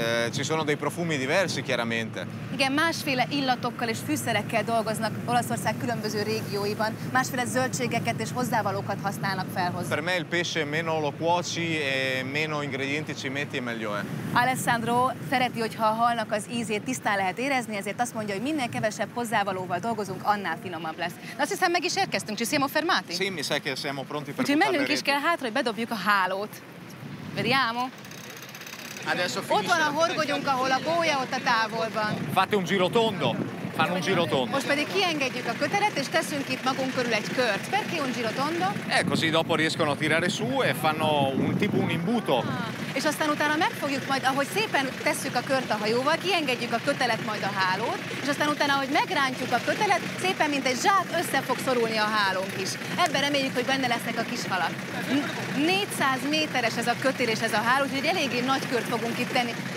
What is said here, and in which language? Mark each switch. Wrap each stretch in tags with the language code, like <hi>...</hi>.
<it>Ci sono dei profumi diversi, chiaramente.</it> <hu>Igen, másféle illatokkal és fűszerekkel dolgoznak Olaszország különböző régióiban, másféle zöldségeket és hozzávalókat használnak fel hozzá.</hu> <it>Per me il pesce meno lo cuoci e meno ingredienti ci metti, meglio è.</it> <hu>Alessandro szereti, hogyha a halnak az ízét tisztán lehet érezni, ezért azt mondja, hogy minél kevesebb hozzávalóval dolgozunk, annál finomabb lesz. De azt hiszem, meg is érkeztünk.</hu> <it>Ci siamo fermati? Sì, mi sa che siamo pronti per buttare.</it> <hu>Menjünk is kell hátra, hogy bedobjuk a hálót.</hu> <it>Vediamo.</it> <hu>Ott van a horgonyunk, ahol a gólya ott a távolban.</hu> <it>Fate un giro tondo. Fanno un giro tondo.</it> <hu>Most pedig kiengedjük a köteret, és teszünk itt magunk körül egy kört.</hu> <it>Perché un giro tondo? Così dopo riescono a tirare su e fanno un tipo un imbuto.</it> <hu>És aztán utána megfogjuk majd, ahogy szépen tesszük a kört a hajóval, kiengedjük a kötelet majd a hálót, és aztán utána, ahogy megrántjuk a kötelet, szépen mint egy zsák össze fog szorulni a hálónk is. Ebben reméljük, hogy benne lesznek a kis halak. 400 méteres ez a kötél és ez a háló, úgyhogy eléggé nagy kört fogunk itt tenni.</hu>